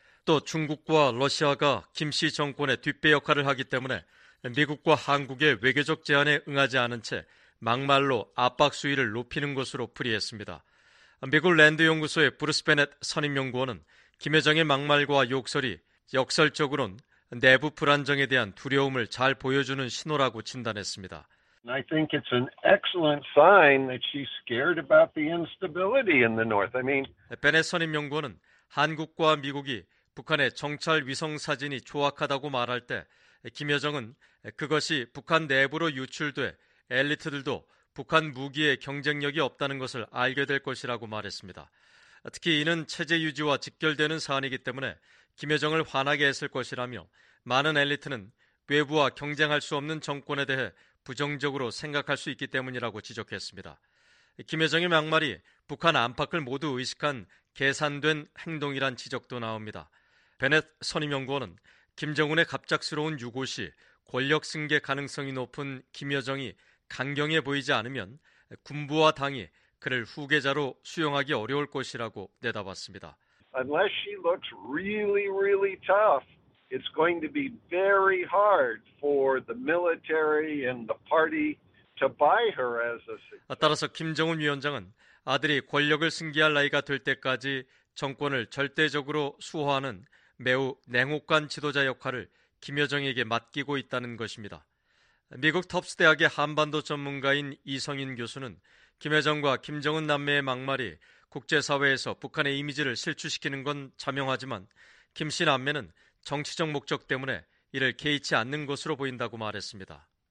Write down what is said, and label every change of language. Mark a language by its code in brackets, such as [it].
[ko] 또 중국과 러시아가 김 씨 정권의 뒷배 역할을 하기 때문에 미국과 한국의 외교적 제안에 응하지 않은 채 막말로 압박 수위를 높이는 것으로 풀이했습니다. 미국 랜드연구소의 브루스 베넷 선임연구원은 김여정의 막말과 욕설이 역설적으로는 내부 불안정에 대한 두려움을 잘 보여주는 신호라고 진단했습니다. [en] I think it's an excellent sign that she's scared about the instability in the North. I mean, [ko] 베넷 선임연구원은 한국과 미국이 북한의 정찰 위성 사진이 조악하다고 말할 때 김여정은 그것이 북한 내부로 유출돼 엘리트들도 북한 무기에 경쟁력이 없다는 것을 알게 될 것이라고 말했습니다. 특히 이는 체제 유지와 직결되는 사안이기 때문에 김여정을 화나게 했을 것이라며 많은 엘리트는 외부와 경쟁할 수 없는 정권에 대해 부정적으로 생각할 수 있기 때문이라고 지적했습니다. 김여정의 막말이 북한 안팎을 모두 의식한 계산된 행동이란 지적도 나옵니다. 베넷 선임연구원은 김정은의 갑작스러운 유고시 권력 승계 가능성이 높은 김여정이 강경해 보이지 않으면 군부와 당이 그를 후계자로 수용하기 어려울 것이라고 내다봤습니다. [en] Unless she looks really, really tough, it's going to be very hard for the military and the party to buy her as a. [ko] 따라서 김정은 위원장은 아들이 권력을 승계할 나이가 될 때까지 정권을 절대적으로 수호하는 매우 냉혹한 지도자 역할을 김여정에게 맡기고 있다는 것입니다. 미국 텁스 대학의 한반도 전문가인 이성인 교수는 김여정과 김정은 남매의 막말이 국제사회에서 북한의 이미지를 실추시키는 건 자명하지만 김 씨 남매는 정치적 목적 때문에 이를 개의치 않는 것으로 보인다고 말했습니다.